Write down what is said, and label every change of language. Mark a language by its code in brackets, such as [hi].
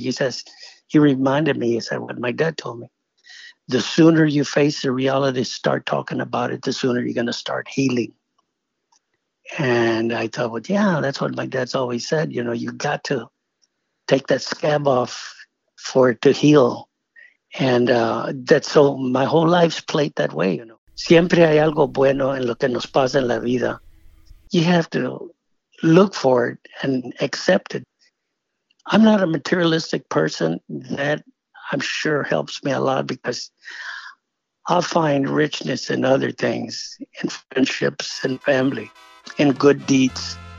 [en] He says, he reminded me, he said, what my dad told me. The sooner you face the reality, start talking about it, the sooner you're going to start healing. And I thought, well, yeah, that's what my dad's always said. You know, you got to take that scab off for it to heal. And that's so my whole life's played that way, you know. [es] Siempre hay algo bueno en lo que nos pasa en la vida. [en] You have to look for it and accept it. I'm not a materialistic person. That I'm sure helps me a lot because I'll find richness in other things, in friendships and family, in good deeds.